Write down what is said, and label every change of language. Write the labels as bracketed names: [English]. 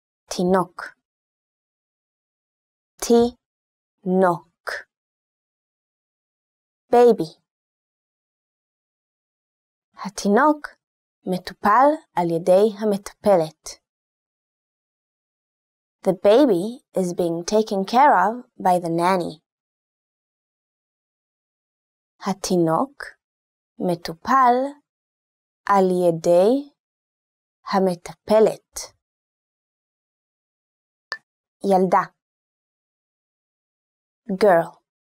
[Hebrew] תינוק תינוק [English] בייבי [Hebrew] התינוק מטופל על ידי המטפלת. [English] The baby is being taken care of by the nanny. [Hebrew] התינוק מטופל על ידי המטפלת. ילדה. [English] Girl.